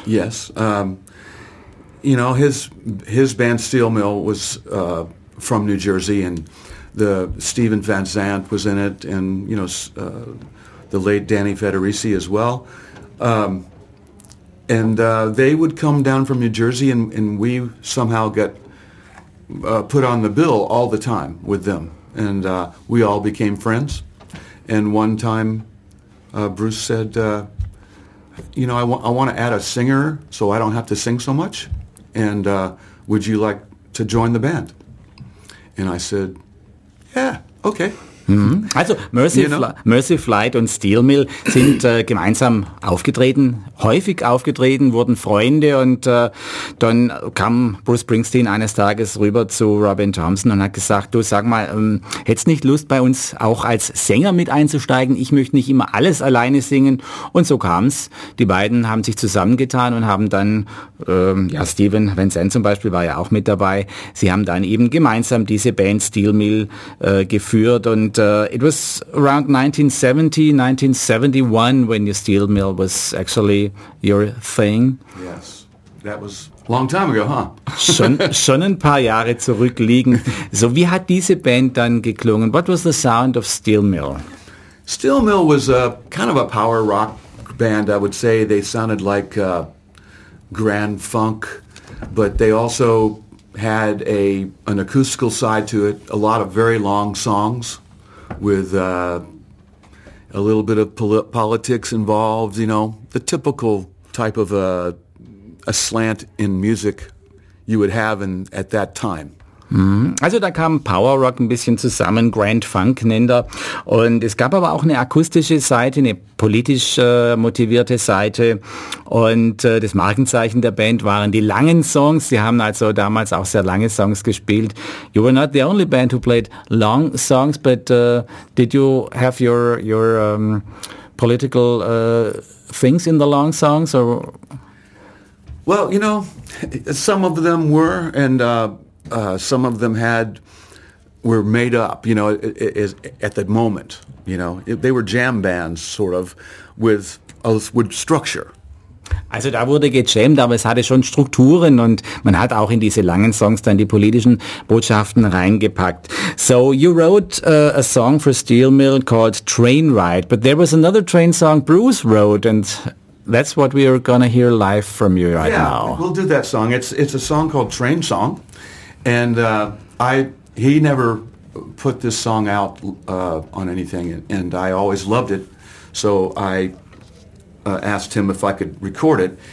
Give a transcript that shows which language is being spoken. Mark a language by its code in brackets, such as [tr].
[en] Yes, you know, his band Steel Mill was from New Jersey and the Stephen Van Zandt was in it, and you know the late Danny Federici as well, and they would come down from New Jersey, and we somehow got put on the bill all the time with them, and we all became friends. And one time, Bruce said, "You know, I want to add a singer, so I don't have to sing so much. And would you like to join the band?" And I said, yeah, okay. [de] Also Mercy Flight und Steel Mill sind gemeinsam aufgetreten, häufig aufgetreten, wurden Freunde und dann kam Bruce Springsteen eines Tages rüber zu Robin Thompson und hat gesagt, du sag mal, hättest nicht Lust bei uns auch als Sänger mit einzusteigen? Ich möchte nicht immer alles alleine singen. Und so kam's. Die beiden haben sich zusammengetan und haben dann, Stephen Van Zandt zum Beispiel war ja auch mit dabei, sie haben dann eben gemeinsam diese Band Steel Mill geführt. [en] Und it was around 1970, 1971, when your Steel Mill was actually your thing. Yes, that was a long time ago, huh? [de] schon ein paar Jahre zurückliegen. So, wie hat diese Band dann geklungen? [en] What was the sound of Steel Mill? Steel Mill was a kind of a power rock band, I would say. They sounded like Grand Funk, but they also had an acoustical side to it, a lot of very long songs. With a little bit of politics involved, you know, the typical type of a slant in music you would have at that time. [de] Also da kam Power Rock ein bisschen zusammen, Grand Funk nennt er. Und es gab aber auch eine akustische Seite, eine politisch motivierte Seite. Und das Markenzeichen der Band waren die langen Songs. Sie haben also damals auch sehr lange Songs gespielt. [en] You were not the only band who played long songs, but did you have your political things in the long songs? Or? Well, you know, some of them were, and... some of them were made up, you know, at the moment, you know. They were jam bands, sort of, with structure. [de] Also da wurde gejammt, aber es hatte schon Strukturen und man hat auch in diese langen Songs dann die politischen Botschaften reingepackt. [en] So you wrote a song for Steel Mill called Train Ride, but there was another train song Bruce wrote, and that's what we are going to hear live from you right now. Yeah, we'll do that song. It's a song called Train Song, and he never put this song out on anything, and I always loved it, so I asked him if I could record it.